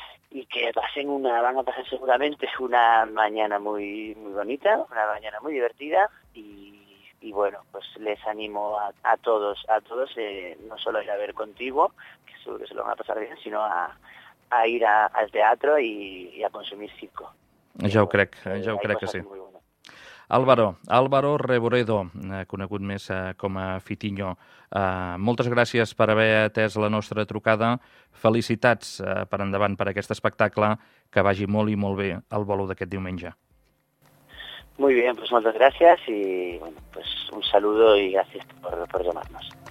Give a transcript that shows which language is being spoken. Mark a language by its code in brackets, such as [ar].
[es] y que pasen van a pasar seguramente una mañana muy muy bonita, una mañana muy divertida y bueno, pues les animo a todos no solo a ir a ver Contiguo, que seguro que se lo van a pasar bien, sino a ir al teatro y a consumir circo. [ca] Ja ho crec, ja ho crec que sí. Álvaro Reboredo, conegut més com a Fitiño, moltes gràcies per haver atès la nostra trucada. Felicitats per endavant per aquest espectacle, que vagi molt i molt bé el bolo d'aquest diumenge. [es] Muy bien, pues muchas gracias y bueno, pues un saludo y gracias por llamarnos.